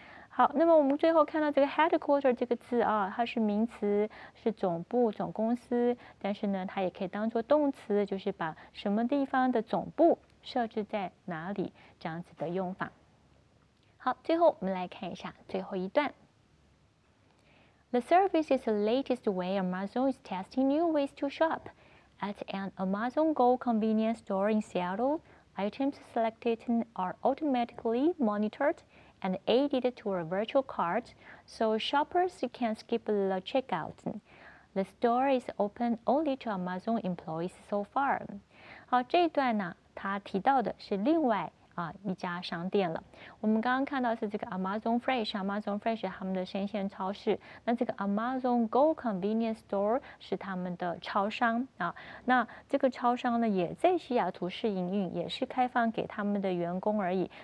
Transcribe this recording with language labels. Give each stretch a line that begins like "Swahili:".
Chinese: 好，那么我们最后看到这个 headquarter 这个字啊，它是名词，是总部、总公司，但是呢，它也可以当做动词，就是把什么地方的总部设置在哪里，这样子的用法。好，最后我们来看一下最后一段。
English: The service is the latest way Amazon is testing new ways to shop. At an Amazon Go convenience store in Seattle, items selected are automatically monitored and added to a virtual cart so shoppers can skip the checkout. The store is open only to Amazon employees so far.
Chinese: 好，这一段呢，他提到的是另外啊一家商店了。我们刚刚看到是这个 Amazon Fresh， Amazon Fresh 他们的生鲜超市。那这个 Amazon Go Convenience Store 是他们的超商啊。那这个超商呢，也在西雅图市营运，也是开放给他们的员工而已。